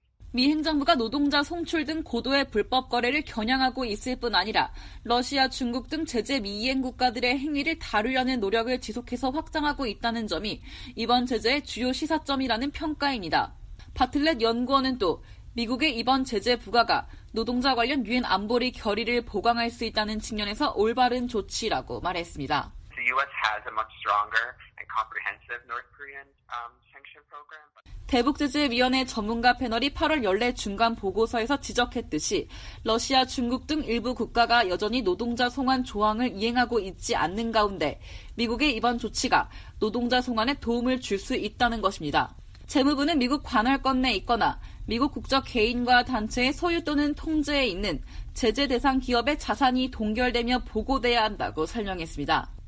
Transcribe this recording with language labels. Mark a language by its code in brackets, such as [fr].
[ko] 미 행정부가 노동자 송출 등 고도의 불법 거래를 겨냥하고 있을 뿐 아니라 러시아, 중국 등 제재 미이행 국가들의 행위를 다루려는 노력을 지속해서 확장하고 있다는 점이 이번 제재의 주요 시사점이라는 평가입니다. 바틀렛 연구원은 또 미국의 이번 제재 부과가 노동자 관련 유엔 안보리 결의를 보강할 수 있다는 측면에서 올바른 조치라고 말했습니다. [en] The US has a much stronger and comprehensive North Korean sanction program. [ko] 대북제재위원회 전문가 패널이 8월 연례 중간 보고서에서 지적했듯이 러시아, 중국 등 일부 국가가 여전히 노동자 송환 조항을 이행하고 있지 않는 가운데 미국의 이번 조치가 노동자 송환에 도움을 줄 수 있다는 것입니다. 재무부는 미국 관할권 내에 있거나 미국 국적 개인과 단체의 소유 또는 통제에 있는 제재 대상 기업의 자산이 동결되며 보고돼야 한다고 설명했습니다.